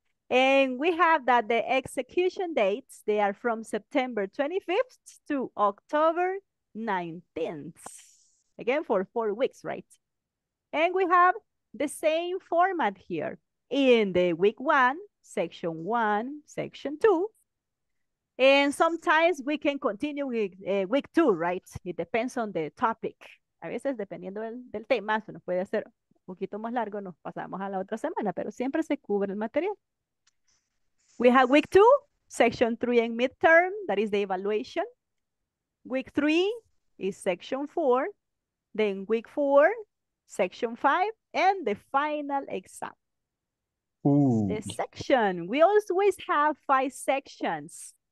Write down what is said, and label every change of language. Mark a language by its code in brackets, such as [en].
[en] And we have that the execution dates, they are from September 25th to October 19th. Again, for 4 weeks, right? And we have the same format here. In the week 1, section 1, section 2, and sometimes we can continue with week 2, right? It depends on the topic. [es] A veces, dependiendo del tema, se nos puede hacer un poquito más largo, nos pasamos a la otra semana, pero siempre se cubre el material. [en] We have week 2, section 3 and midterm, that is the evaluation. Week 3 is section 4. Then week 4, section 5, and the final exam. Ooh. The section, we always have 5 sections.